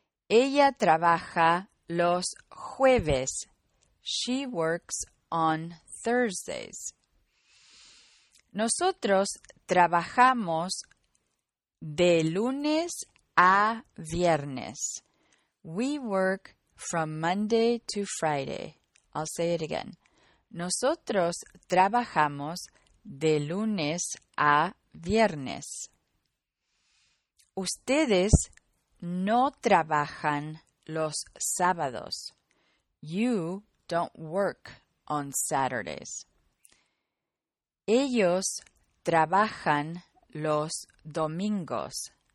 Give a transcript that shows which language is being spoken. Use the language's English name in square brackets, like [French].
[Spanish] Ella trabaja los jueves. [English] She works on Thursdays. [Spanish] Nosotros trabajamos de lunes a viernes. [English] We work from Monday to Friday. I'll say it again. [Spanish] Nosotros trabajamos de lunes a viernes. Ustedes no trabajan los sábados. [English] You don't work on Saturdays. [Spanish] Ellos trabajan los domingos.